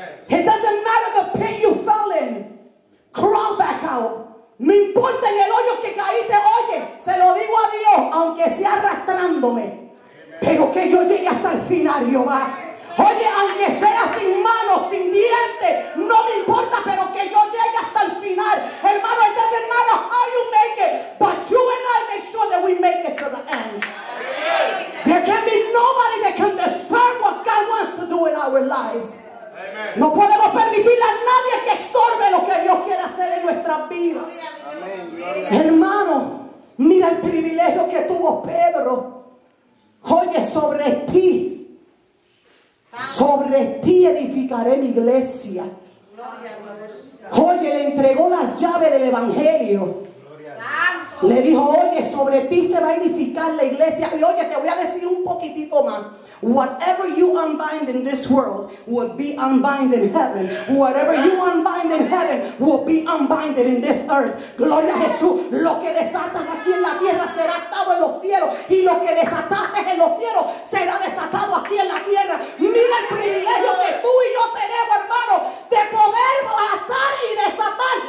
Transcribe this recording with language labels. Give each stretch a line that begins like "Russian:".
English: It doesn't matter the pit you fell in, crawl back out.
Spanish: No importa en el hoyo que caíste, oye, se lo digo a Dios, aunque sea arrastrándome, pero que yo llegue hasta el final, Jehová. Oye, aunque sea sin manos, sin dientes, no me importa, pero que yo llegue hasta el final.
English: Hermano, it doesn't matter how you make it, but you and I make sure that we make it to the end. There can be nobody that can disturb what God wants to do in our lives.
Spanish: No podemos permitirle a nadie que estorbe lo que Dios quiere hacer en nuestras vidas. Hermano, mira el privilegio que tuvo Pedro. Oye, sobre ti. Sobre ti edificaré mi iglesia. Oye, le entregó las llaves del evangelio. Santo Le dijo, oye, sobre ti se va a edificar la iglesia. Y oye, te voy a decir un poquitito más.
English: Whatever you unbind in this world will be unbind in heaven. Whatever you unbind in heaven will be unbind in this earth.
Spanish: Gloria a Jesús. Lo que desatas aquí en la tierra será atado en los cielos. Y lo que desatases en los cielos será desatado aquí en la tierra. Mira el privilegio que tú y yo tenemos, hermano, de poder atar y desatar.